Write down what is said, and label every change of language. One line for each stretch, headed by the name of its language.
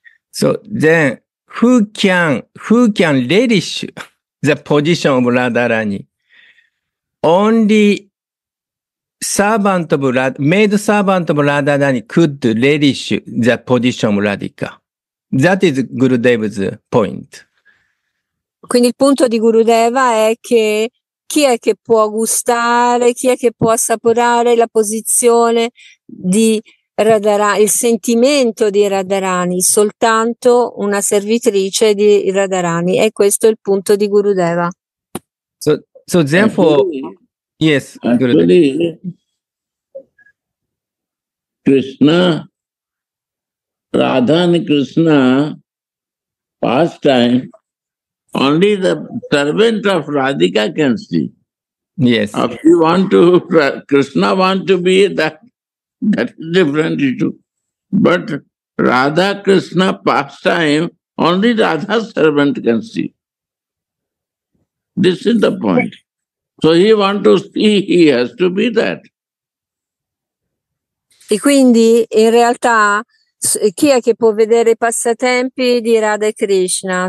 English: So then, who can relish the position of Radharani? Only servant of maid servant of Radharani could relish the position of Radhika. That is Gurudev's point.
Italian: Quindi il punto di Gurudeva è che chi è che può gustare, chi è che può assaporare la posizione di Radharani, il sentimento di Radharani, soltanto una servitrice di Radharani, e questo è il punto di Gurudeva.
English: So therefore, yes, actually, Krishna, Radha and Krishna, past time, only the servant of Radhika can see. Yes. If you want to, Krishna want to be that. That is different issue. But Radha Krishna pastime, only Radha's servant can see. This is the point. So he wants to see, he has to be that.
Italian: E quindi, in realtà, chi è che può vedere i passatempi di Radha e Krishna?